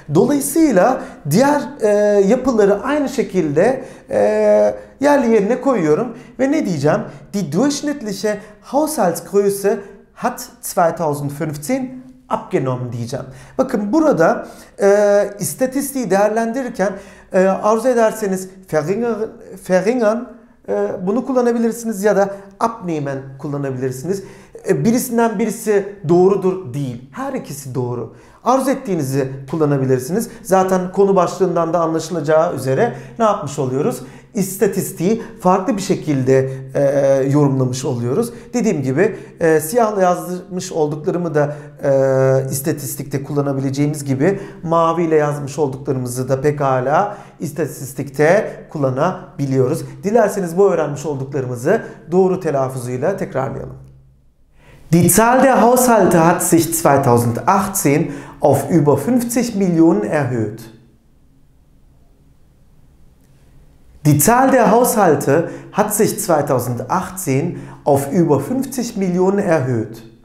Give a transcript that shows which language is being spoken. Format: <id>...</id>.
<tr>Dolayısıyla diğer yapıları aynı şekilde yerli yerine koyuyorum. Ve ne diyeceğim?</tr> <de>Die durchschnittliche Haushaltsgröße hat 2015 abgenommen</de> <tr>diyeceğim. Bakın burada istatistiği değerlendirirken arzu ederseniz verringern bunu kullanabilirsiniz ya da abnehmen kullanabilirsiniz. Birisinden birisi doğrudur değil. Her ikisi doğru. Arzu ettiğinizi kullanabilirsiniz. Zaten konu başlığından da anlaşılacağı üzere ne yapmış oluyoruz? İstatistiği farklı bir şekilde yorumlamış oluyoruz. Dediğim gibi siyahla yazmış olduklarımı da istatistikte kullanabileceğimiz gibi maviyle yazmış olduklarımızı da pekala istatistikte kullanabiliyoruz. Dilerseniz bu öğrenmiş olduklarımızı doğru telaffuzuyla tekrarlayalım.</tr> <de>Die Zahl der Haushalte hat sich 2018 auf über 50 Millionen erhöht. Die Zahl der Haushalte hat sich 2018 auf über 50 Millionen erhöht.</de>